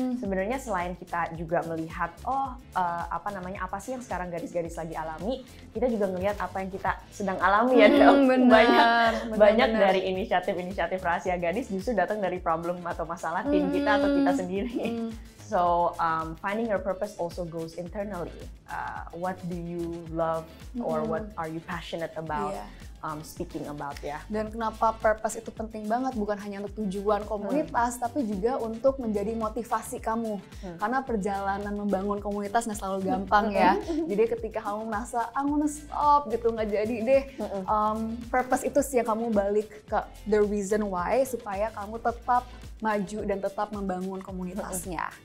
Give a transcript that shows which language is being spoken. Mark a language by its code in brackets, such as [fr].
[id] Sebenarnya selain kita juga melihat apa sih yang sekarang gadis-gadis lagi alami, kita juga ngelihat apa yang kita sedang alami ya, Dal. Banyak dari inisiatif-inisiatif Rahasia Gadis justru datang dari problem atau masalah tim kita atau kita sendiri. [en] So finding your purpose also goes internally. What do you love or what are you passionate about? Speaking about ya. [id] Dan kenapa purpose itu penting banget, bukan hanya untuk tujuan komunitas tapi juga untuk menjadi motivasi kamu. Karena perjalanan membangun komunitas nggak selalu gampang ya. Jadi ketika kamu merasa [en] I'm gonna stop [id] gitu, nggak jadi deh. Purpose itu sih yang kamu balik ke [en] the reason why [id] supaya kamu tetap maju dan tetap membangun komunitasnya.